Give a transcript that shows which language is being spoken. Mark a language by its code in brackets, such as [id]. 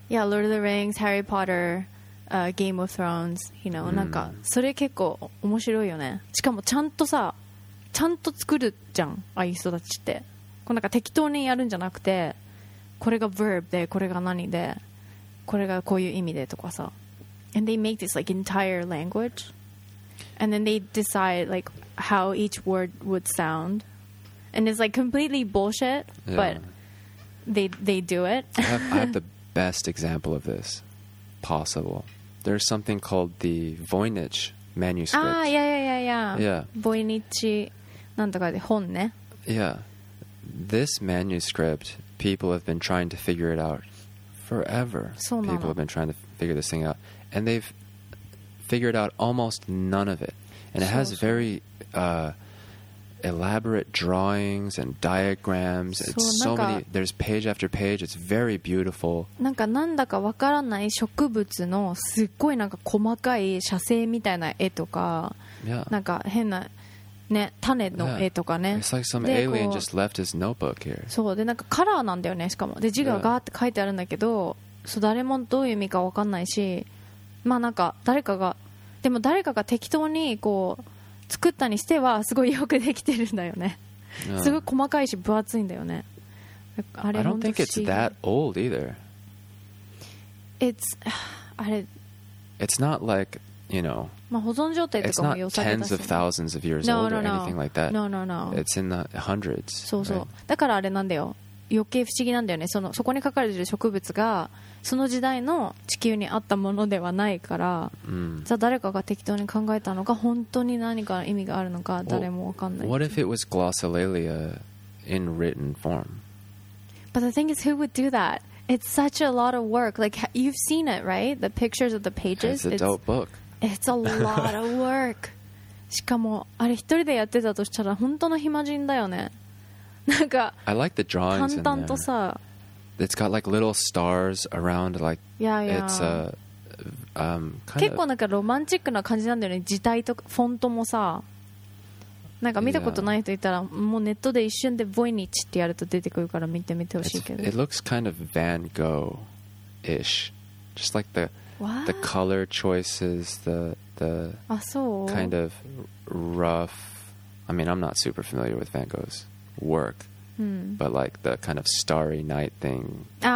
[en] Yeah, Lord of the Rings, Harry Potter, Game of Thrones, you know, [ja] なんかそれ結構面白いよね。しかもちゃんとさ、ちゃんと作るじゃん、ああいう人たちって。こうなんか適当にやるんじゃなくて、これが verb で、これが何で、これがこういう意味でとかさ。 [en] And they make this like entire language. And then they decide like how each word would sound. And it's like completely bullshit, yeah. But... They do it. I have the best example of this possible. There's something called the Voynich manuscript. Ah, yeah. Yeah. [ja] Voynich, なんとかで本ね. [en] Yeah. This manuscript, people have been trying to figure it out forever. [ja] そうなの. [en] People have been trying to figure this thing out. And they've figured out almost none of it. And it has very... elaborate drawings and diagrams. It's so many. There's page after page. It's very beautiful. [ja] なんかなんだかわからない植物のすっごいなんか細かい写生みたいな絵とか、 [en] yeah. [ja] なんか変なね種の絵とかね。 [en] Yeah. It's like some alien just left his notebook here. [ja] そうでなんかカラーなんだよねしかもで字がガーって書いてあるんだけど、そう誰もどういう意味かわかんないし、まあなんか誰かがでも誰かが適当にこう。作ったにしてはすごいよくできてるんだよね。すごい細かいし分厚いんだよね。あれ [en] I don't think it's that old either. It's [ja] あれ。 [en] It's not like you know. [ja] まあ保存状態とかも良さげだし。 [en] It's not tens of thousands of years no, old no, no. or anything like that. No no no. It's in the hundreds. [ja] そうそう。 [en] Right? [ja] だからあれなんだよ。余計不思議なんだよね。そこに書かれてる植物がその時代の地球にあったものではないから、 mm. じゃあ誰かが適当に考えたのか本当に何か意味があるのか誰もわかんない。 [en] What if it was glossolalia in written form? But the thing is, who would do that? It's such a lot of work. Like you've seen it, right? The pictures of the pages. It's a dope book. It's a lot of work. [ja] しかもあれ一人でやってたとしたら本当の暇人だよね。 [en] I like the drawings in there. It's got like little stars around, like yeah, yeah. It's a kind [ja] 結構なんかロマンチックな感じなんだよね。字体とかフォントもさ、なんか見たことない人いたら、yeah. もうネットで一瞬でボイニッチってやると出てくるから見てみてほしいけど。 [en] It looks kind of Van Gogh-ish, just like the、 What? The color choices, the kind of rough. I mean, I'm not super familiar with Van Gogh's. Work, but like the kind of starry night thing.